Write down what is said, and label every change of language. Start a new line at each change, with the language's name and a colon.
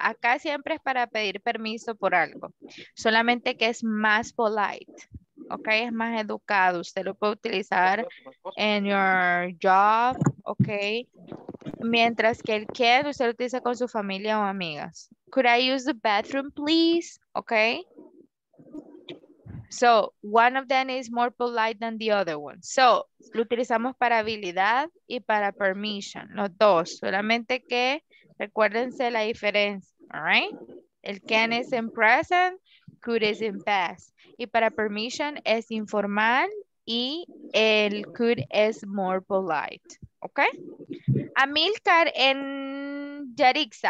Spanish: Acá siempre es para pedir permiso por algo. Solamente que es más polite. Ok, es más educado. Usted lo puede utilizar en
English: your job.
Spanish: Ok. Mientras que el can, usted lo utiliza con su familia o amigas.
English: Could I use the bathroom, please? Ok. So, one of them is more polite than the other one.
Spanish: So, lo utilizamos para habilidad y para permission, los dos. Solamente que recuérdense la diferencia, all right?
English: El can is in present, could is in past.
Spanish: Y para permission es informal y el could
English: is more polite,
Spanish: okay? Amilcar en Yarixa.